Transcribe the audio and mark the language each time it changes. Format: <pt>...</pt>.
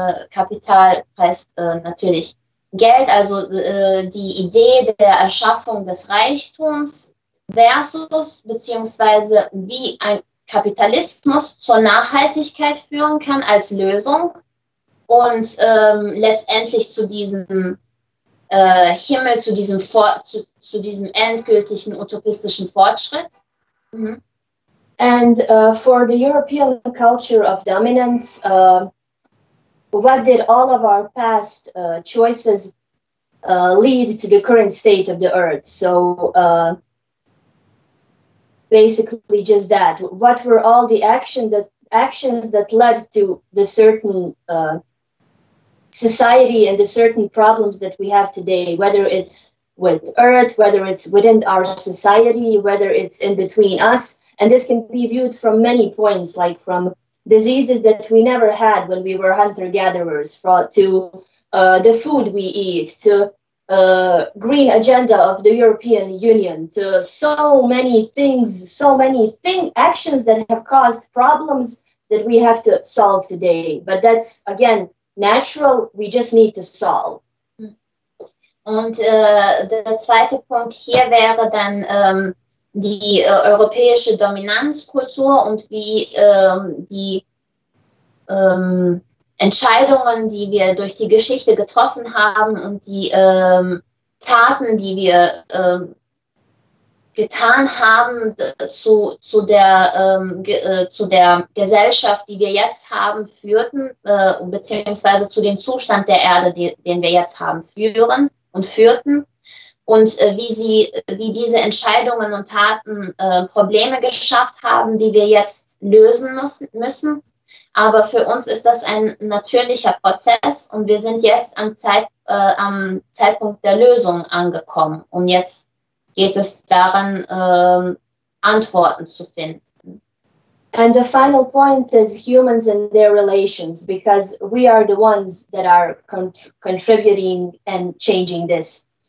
<de>Kapital heißt natürlich Geld, also die Idee der Erschaffung des Reichtums versus beziehungsweise wie ein Kapitalismus zur Nachhaltigkeit führen kann als Lösung. Und letztendlich zu diesem Himmel, zu diesem endgültigen utopistischen Fortschritt. Mhm.</de> <en>And for the European culture of dominance, what did all of our past choices lead to the current state of the earth? So basically just that. What were all the actions that led to the certain society and the certain problems that we have today, whether it's with Earth, whether it's within our society, whether it's in between us. And this can be viewed from many points, like from diseases that we never had when we were hunter-gatherers, to the food we eat, to green agenda of the European Union, to so many things, actions that have caused problems that we have to solve today. But that's, again, natural, we just need to solve.</en> <de>Und der zweite Punkt hier wäre dann die europäische Dominanzkultur und wie die Entscheidungen, die wir durch die Geschichte getroffen haben und die Taten, die wir getan haben zu der Gesellschaft, die wir jetzt haben, führten, beziehungsweise zu dem Zustand der Erde, den wir jetzt haben, führen und führten. Und wie diese Entscheidungen und Taten Probleme geschafft haben, die wir jetzt lösen müssen. Aber für uns ist das ein natürlicher Prozess und wir sind jetzt am Zeitpunkt der Lösung angekommen. Und jetzt geht es daran, Antworten zu finden.</de> <en>And the final point is humans and their relations, because we are the ones that are contributing and changing this.</en>